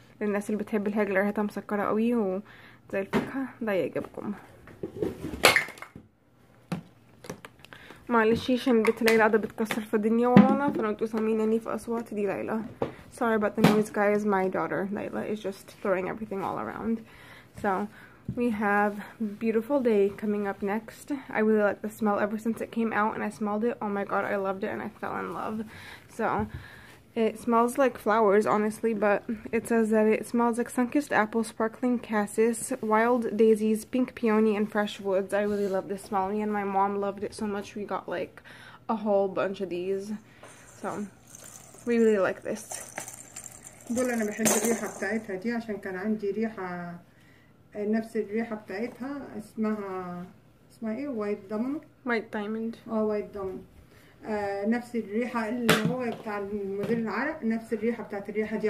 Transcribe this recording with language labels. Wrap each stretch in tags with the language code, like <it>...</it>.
<ar>للناس اللي بتحب الهجل ريحتها مسكرة قوي وزي الفاكهة, ده يعجبكم. معلش عشان بنت ليلى قاعدة بتكسر في الدنيا ورانا, فلو انتوا سامعيني اني في اصوات دي ليلى.</ar> <en>Sorry about the noise guys, my daughter Layla is just throwing everything all around. So we have beautiful day coming up next. I really like the smell ever since it came out and I smelled it. Oh my god, I loved it and I fell in love. So it smells like flowers honestly, but it says that it smells like sun-kissed apple, sparkling cassis, wild daisies, pink peony, and fresh woods. I really love this smell. Me and my mom loved it so much we got like a whole bunch of these. So we really like this.</en> <ar>بقول انا بحب الريحه بتاعتها دي عشان كان عندي ريحه نفس الريحه بتاعتها, اسمها ايه, وايت دامون, وايت دايموند, وايت دامون. نفس الريحه اللي هو بتاع الموديل العرق, نفس الريحه بتاعت الريحه دي.</ar>